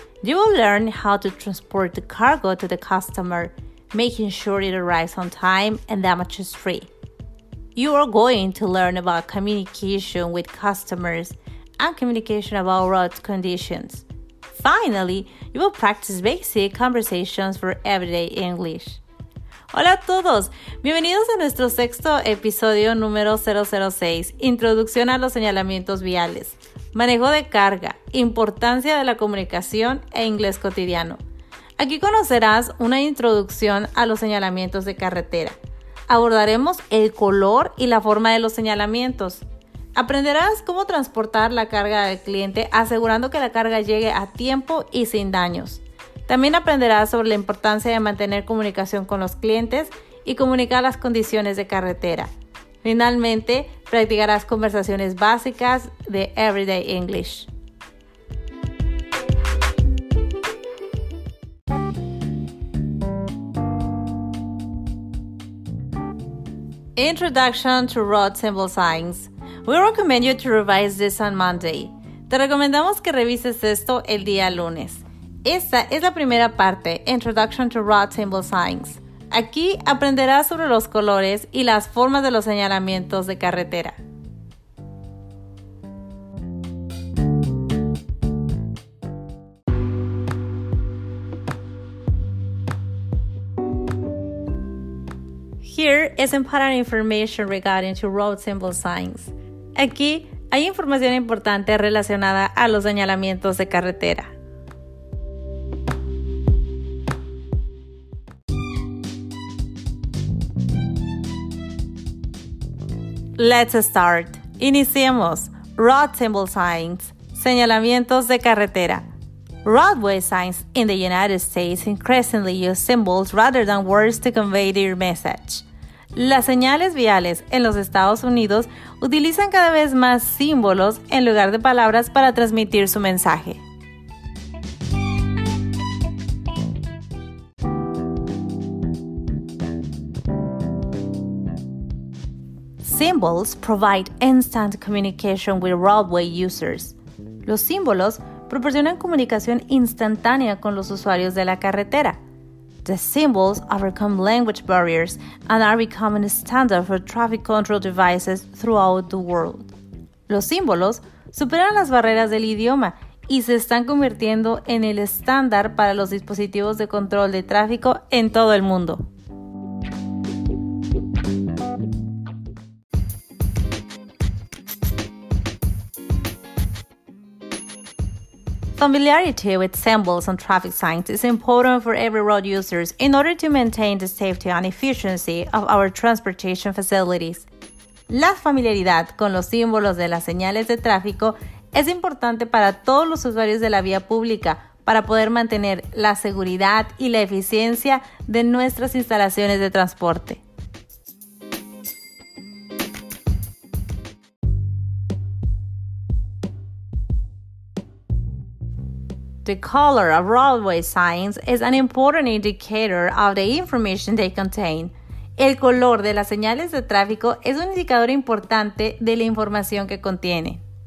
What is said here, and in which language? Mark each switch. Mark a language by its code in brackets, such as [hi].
[en] You will learn how to transport the cargo to the customer, making sure it arrives on time and damage is free. You are going to learn about communication with customers and communication about road conditions. Finally, you will practice basic conversations for everyday English. [es] Hola a todos, bienvenidos a nuestro 6th episodio número 006, Introducción a los señalamientos viales, manejo de carga, importancia de la comunicación e inglés cotidiano. Aquí conocerás una introducción a los señalamientos de carretera. Abordaremos el color y la forma de los señalamientos. Aprenderás cómo transportar la carga del cliente asegurando que la carga llegue a tiempo y sin daños. También aprenderás sobre la importancia de mantener comunicación con los clientes y comunicar las condiciones de carretera. Finalmente, practicarás conversaciones básicas de Everyday English. [en] Introduction to Road Symbol Signs. We recommend you to revise this on Monday. [es] Te recomendamos que revises esto el día lunes. Esta es la primera parte, [en] Introduction to Road Symbol Signs. [es] Aquí aprenderás sobre los colores y las formas de los señalamientos de carretera. [en] Here is important information regarding to road symbol signs. [es] Aquí hay información importante relacionada a los señalamientos de carretera. [en] Let's start. Iniciemos. Road symbol signs. [es] Señalamientos de carretera. [en] Roadway signs in the United States increasingly use symbols rather than words to convey their message. [es] Las señales viales en los Estados Unidos utilizan cada vez más símbolos en lugar de palabras para transmitir su mensaje. [en] Symbols provide instant communication with roadway users. [es] Los símbolos proporcionan comunicación instantánea con los usuarios de la carretera. [en] The symbols overcome language barriers and are becoming a standard for traffic control devices throughout the world. [es] Los símbolos superan las barreras del idioma y se están convirtiendo en el estándar para los dispositivos de control de tráfico en todo el mundo. [en] Familiarity with symbols and traffic signs is important for every road users in order to maintain the safety and efficiency of our transportation facilities. [es] La familiaridad con los símbolos de las señales de tráfico es importante para todos los usuarios de la vía pública para poder mantener la seguridad y la eficiencia de nuestras instalaciones de transporte. [en] The color of roadway signs is an important indicator of the information they contain. [es] El color de las señales de tráfico es un indicador importante de la información que contiene.